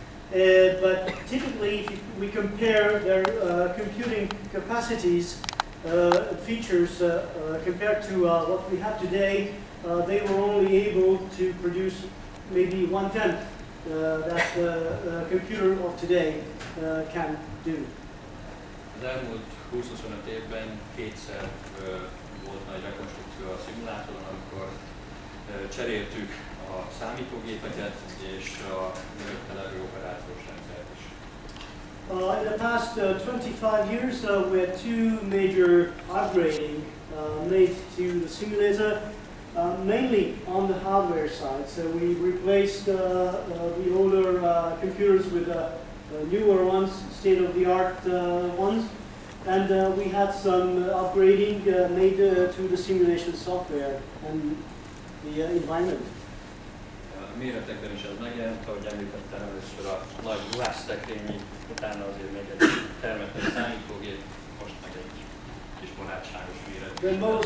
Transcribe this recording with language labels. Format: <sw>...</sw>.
<en>But typically, if we compare their computing capacities, features compared to what we have today, they were only able to produce maybe one-tenth that the computer of today can do.</en> <hu>Az elmúlt 20 25 évben kétszer volt nagy rekonstrukció a szimulátoron, amikor cseréltük a számítógépeket és a mögötte levő operációs rendszert is.</hu> <en>In the past 25 years, we had two major upgrading made to the simulator, mainly on the hardware side. So we replaced the older computers with newer ones, state-of-the-art ones, and we had some upgrading made to the simulation software and the environment.</en> <hu>Méretekben is ez megjelent, ahogy említettem, először a nagy ruhásztekrényi, utána azért még egy termetes számítógép, most meg egy kis barátságos méret.</hu>